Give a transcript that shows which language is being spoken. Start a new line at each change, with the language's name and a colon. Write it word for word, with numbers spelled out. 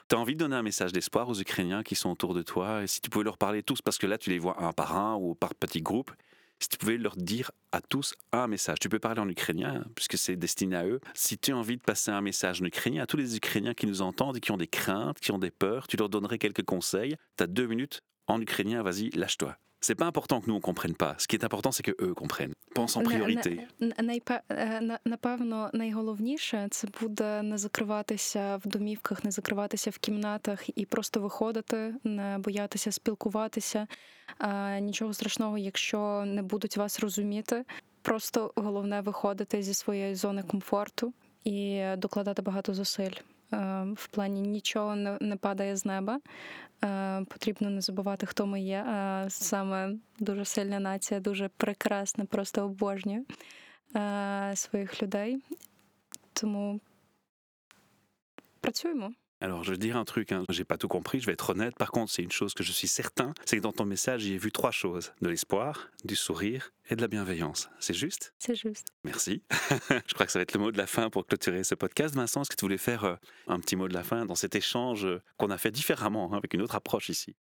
French: T'as envie de donner un message d'espoir aux Ukrainiens qui sont autour de toi? Et si tu pouvais leur parler tous, parce que là tu les vois un par un ou par petits groupes, si tu pouvais leur dire à tous un message, tu peux parler en ukrainien, hein, puisque c'est destiné à eux. Si tu as envie de passer un message en ukrainien à tous les Ukrainiens qui nous entendent et qui ont des craintes, qui ont des peurs, tu leur donnerais quelques conseils. T'as deux minutes en ukrainien, vas-y, lâche-toi. C'est pas important que nous on comprenne pas. Ce qui est important, c'est que eux comprennent. Pense en На- на- priorité.
Ukrainian: н- найпе- е, на- Напевно, найголовніше це буде не закриватися в домівках, не закриватися в кімнатах і просто виходити, не боятися спілкуватися. Е, Нічого страшного, якщо не будуть вас розуміти. Просто головне виходити зі своєї зони комфорту і докладати багато зусиль. Е, В плані нічого не, не падає з неба. Е, Потрібно не забувати, хто ми є. Е, Саме дуже сильна нація, дуже прекрасна, просто обожнюю е, своїх людей. Тому працюємо.
French: Alors, je vais dire un truc, hein. J'ai pas tout compris, je vais être honnête. Par contre, c'est une chose que je suis certain, c'est que dans ton message, j'y ai vu trois choses: de l'espoir, du sourire et de la bienveillance. C'est juste?
Ukrainian: Це жесть.
French: Merci. Je crois que ça va être le mot de la fin pour clôturer ce podcast. Vincent, est-ce que tu voulais faire euh, un petit mot de la fin dans cet échange euh, qu'on a fait différemment, hein, avec une autre approche ici?